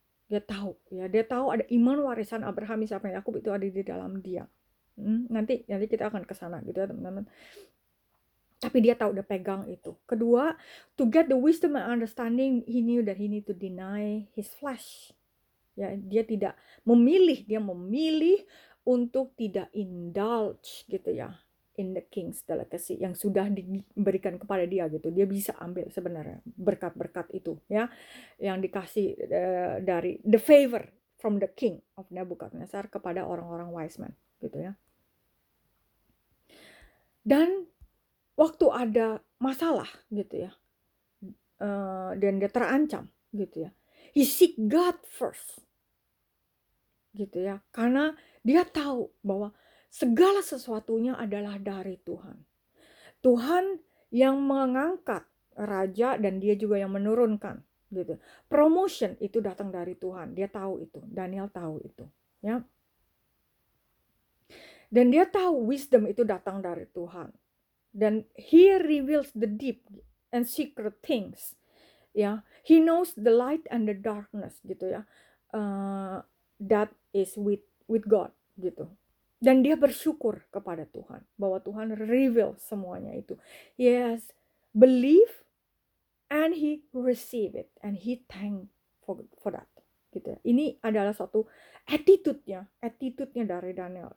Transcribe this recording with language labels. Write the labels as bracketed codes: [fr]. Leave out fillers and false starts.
[id] Dia tahu ya, dia tahu ada iman warisan Abraham, Ishak, dan Yakub itu ada di dalam dia. Nanti kita akan ke sana gitu ya, teman-teman. Tapi dia tahu udah pegang itu. [en] Kedua, to get the wisdom and understanding, he knew that he need to deny his flesh. [id] Ya, dia tidak memilih, dia memilih untuk tidak indulge gitu ya [en] in the king's delicacy [id] yang sudah diberikan kepada dia gitu. Dia bisa ambil sebenarnya berkat-berkat itu ya yang dikasih dari [en] the favor from the king of Nebuchadnezzar [id] kepada orang-orang wise men gitu ya. Dan waktu ada masalah gitu ya, dan dia terancam gitu ya, [en] he seek God first [id] gitu ya, karena dia tahu bahwa segala sesuatunya adalah dari Tuhan. Tuhan yang mengangkat raja dan dia juga yang menurunkan gitu. Promotion itu datang dari Tuhan. Dia tahu itu. Daniel tahu itu, ya. Dan dia tahu wisdom itu datang dari Tuhan. [en] Dan he reveals the deep and secret things. Ya, he knows the light and the darkness gitu ya. That is with God gitu. [id] Dan dia bersyukur kepada Tuhan bahwa Tuhan reveal semuanya itu. [en] Yes, believe and he receive it and he thank for that. [id] Gitu. Ya. Ini adalah satu attitude-nya dari Daniel.